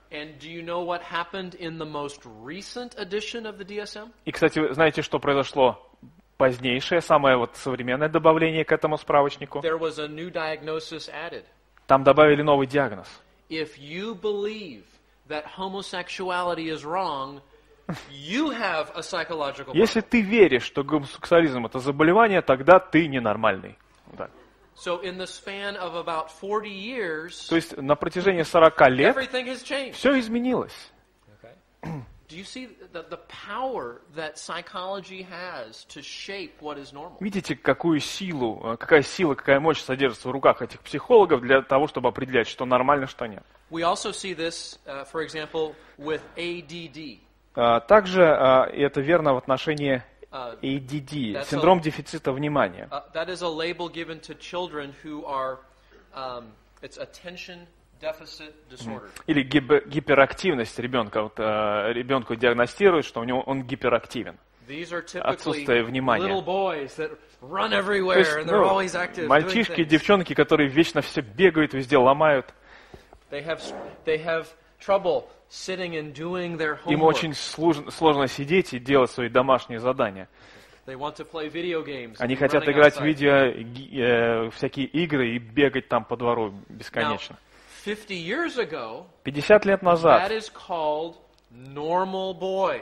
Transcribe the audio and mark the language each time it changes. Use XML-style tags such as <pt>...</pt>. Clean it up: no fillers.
<en>And do you know what happened in the most recent edition of the DSM?</en> <ru>И, кстати, знаете, что произошло позднейшее, самое вот современное добавление к этому справочнику?</ru> <en>There was a new diagnosis added.</en> <ru>Там добавили новый диагноз.</ru> <en>If you believe that homosexuality is wrong, you have a psychological problem.</en> <ru>Если ты веришь, что гомосексуализм это заболевание, тогда ты ненормальный. Да.</ru> <en>So in the span of about 40 years,</en> <ru>то есть на протяжении 40 лет</ru> <en>everything has changed.</en> <ru>Все изменилось.</ru> <en>Okay. Do you see the power that psychology has to shape what is normal?</en> <ru>Видите, какую силу, какая сила, какая мощь содержится в руках этих психологов для того, чтобы определять, что нормально, что нет.</ru> <en>We also see this, for example, with ADD.</en> <ru>Также это верно в отношении ADD, синдром дефицита внимания.</ru> <en>That is a label given to children who are it's attention deficit disorder.</en> <ru>Или гиперактивность ребенка. Вот ребенку диагностируют, что у него он гиперактивен.</ru> <en>These are typically</en> <ru>отсутствие внимания.</ru> <en>Little boys that run everywhere,</en> <ru>то есть,</ru> <en>and they're always active,</en> <ru>мальчишки,</ru> <en>doing</en> <ru>девчонки, которые вечно все бегают, везде ломают.</ru> <en>They have trouble sitting and doing their homework.</en> <ru>Им очень сложно сидеть и делать свои домашние задания.</ru> <en>They want to play video games.</en> <ru>Они хотят играть в видео, всякие игры и бегать там по двору бесконечно.</ru> <en>Now, 50 years ago,</en> <ru>50 лет назад,</ru> <en>that is called normal boys.</en>